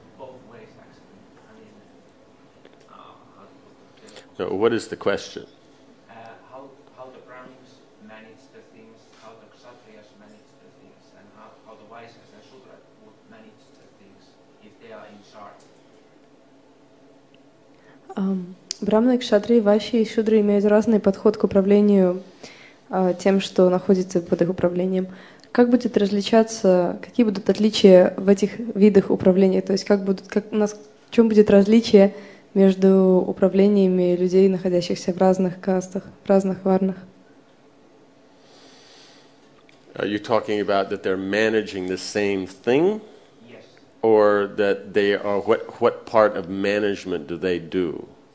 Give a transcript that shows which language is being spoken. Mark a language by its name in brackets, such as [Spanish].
[English] Both ways, actually. I mean, so what is the question? How the Brahmins manage the things, how the Kshatriyas manage the things, and how the Vaisyas and Shudras would manage the things if they are in charge. [Russian] Брамны, кшатрии, ваши и шудры имеют разный подход к управлению тем, что находится под их управлением. Как будет различаться, какие будут отличия в этих видах управления? То есть в чем будет различие между управлениями людей, находящихся в разных кастах, в разных варнах? [English] Are you talking about that they're managing the same thing? Yes. Or that they are, what part of management do they do?